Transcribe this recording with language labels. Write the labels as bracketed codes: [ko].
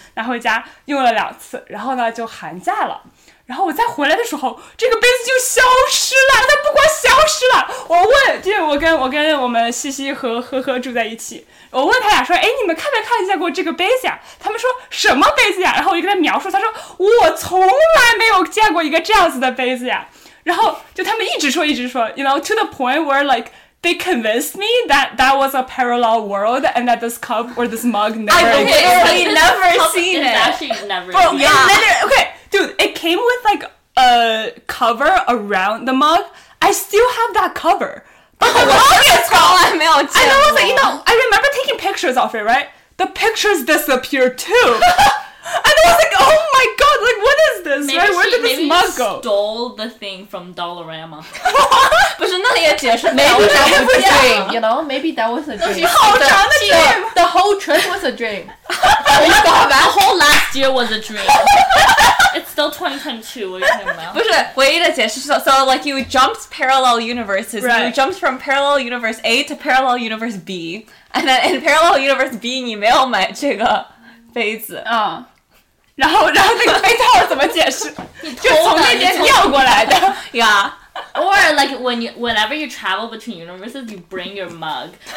[zh] 拿回家用了2次，然后呢就寒假了，然后我再回来的时候这个杯子就消失了。它不光消失了，我问，就是我跟我们西西和呵呵住在一起，我问他俩说，哎，你们看没看见过这个杯子呀？他们说什么杯子呀？然后我就跟他描述，他说我从来没有见过一个这样子的杯子呀。然后就他们一直说 [en] you know, to the point where likeThey convinced me that that was a parallel world and that this cup or this mug never existed. I've literally never seen it. It's actually never existed. Yeah. Okay, dude, it came with like a cover around the mug. I still have that cover. But the mug is gone. I know, I was like, you know, I remember taking pictures of it, right? The pictures disappeared too. And I was like, oh my god, like what is this, maybe, right? Where did this mug go? Maybe stole the thing from Dollarama. [zh] 不是，那也解释不了。 [en] Maybe that was a dream, you know? Maybe that was a dream. [zh] 好长的 dream! [en] The whole trip was a dream. The whole last year was a dream. It's still 2022, what are you talking about? [zh] 不是，唯一的解释是 [en] so like you jumped parallel universes. Right. You jumped from parallel universe A to parallel universe B. And then in parallel universe B, [zh] 你没有买这个。杯子啊、然后那个杯套怎么解释？就从那边掉过来的呀。 [en] Yeah. Or like whenever you travel between universes, you bring your mug.